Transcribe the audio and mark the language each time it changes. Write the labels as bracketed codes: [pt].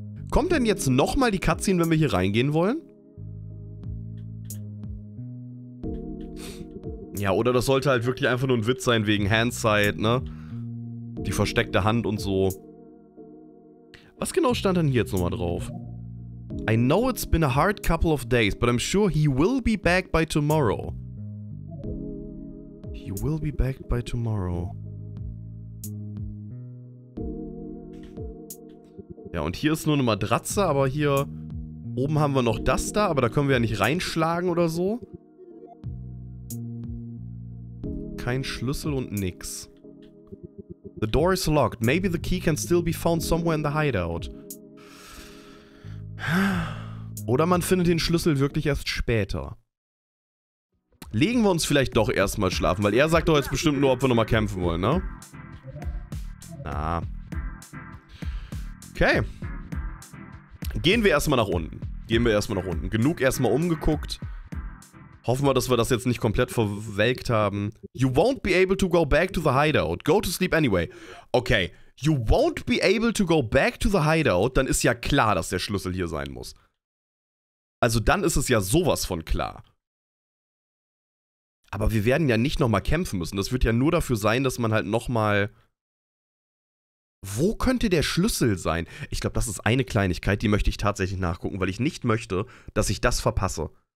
[de] Kommt denn jetzt nochmal die Cutscene, wenn wir hier reingehen wollen? Ja, oder das sollte halt wirklich einfach nur ein Witz sein wegen Handsight, ne? Die versteckte Hand und so. Was genau stand denn hier jetzt nochmal drauf? [en] I know it's been a hard couple of days, but I'm sure he will be back by tomorrow. He will be back by tomorrow. [de] Ja, und hier ist nur eine Matratze, aber hier oben haben wir noch das da, aber da können wir ja nicht reinschlagen oder so. Kein Schlüssel und nix. [en] The door is locked. Maybe the key can still be found somewhere in the hideout. [de] Oder man findet den Schlüssel wirklich erst später. Legen wir uns vielleicht doch erstmal schlafen, weil er sagt doch jetzt bestimmt nur, ob wir nochmal kämpfen wollen, ne? Na. Okay. Gehen wir erstmal nach unten. Genug erstmal umgeguckt. Hoffen wir, dass wir das jetzt nicht komplett verwelkt haben. [en] You won't be able to go back to the hideout. Go to sleep anyway. Okay. You won't be able to go back to the hideout. [de] Dann ist ja klar, dass der Schlüssel hier sein muss. Also dann ist es ja sowas von klar. Aber wir werden ja nicht nochmal kämpfen müssen. Das wird ja nur dafür sein, dass man halt nochmal... Wo könnte der Schlüssel sein? Ich glaube, das ist eine Kleinigkeit, die möchte ich tatsächlich nachgucken, weil ich nicht möchte, dass ich das verpasse.